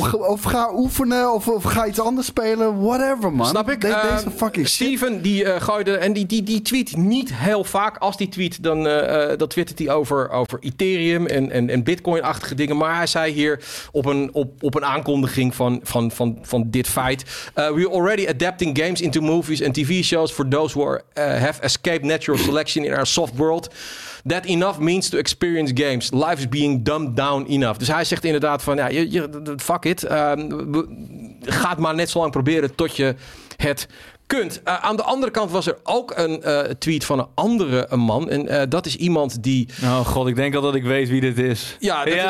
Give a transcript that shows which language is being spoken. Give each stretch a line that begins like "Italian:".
Dutch: of ga oefenen of ga iets anders spelen.
English: Whatever, man.
Dutch: Snap ik? Deze fucking shit. Steven, die gooide... En die tweet niet heel vaak. Als die tweet, dan dat twittert hij over Ethereum en Bitcoin-achtige dingen. Maar hij zei hier op een aankondiging van dit feit...
English: we're already adapting games into movies and TV shows for those who have escaped natural selection in our soft world. That enough means to experience games. Life is being dumbed down enough.
Dutch: Dus hij zegt inderdaad van, ja, fuck it. Ga het maar net zo lang proberen tot je het kunt. Aan de andere kant was er ook een tweet van een andere man. En dat is iemand die... Oh god, ik denk al dat ik weet wie dit is. Ja.